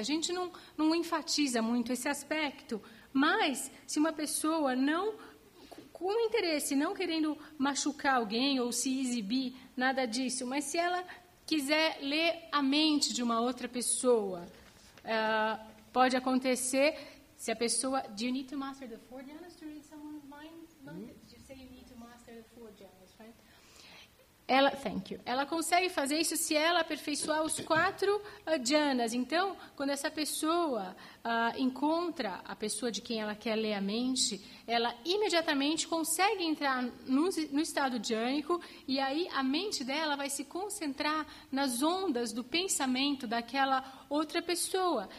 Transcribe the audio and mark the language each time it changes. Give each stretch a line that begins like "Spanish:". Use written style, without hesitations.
Portuguese: A gente não enfatiza muito esse aspecto, mas se uma pessoa não, com interesse, não querendo machucar alguém ou se exibir, nada disso, mas se ela quiser ler a mente de uma outra pessoa, pode acontecer, se a pessoa...
English: Do you need to master the 4 jhanas to read someone's mind? Did you say you need to master the 4 jhanas, right?
Portuguese: Ela,
English: thank you.
Portuguese: Ela consegue fazer isso se ela aperfeiçoar os quatro jhanas. Então, quando essa pessoa encontra a pessoa de quem ela quer ler a mente, ela imediatamente consegue entrar no estado jhânico e aí a mente dela vai se concentrar nas ondas do pensamento daquela outra pessoa.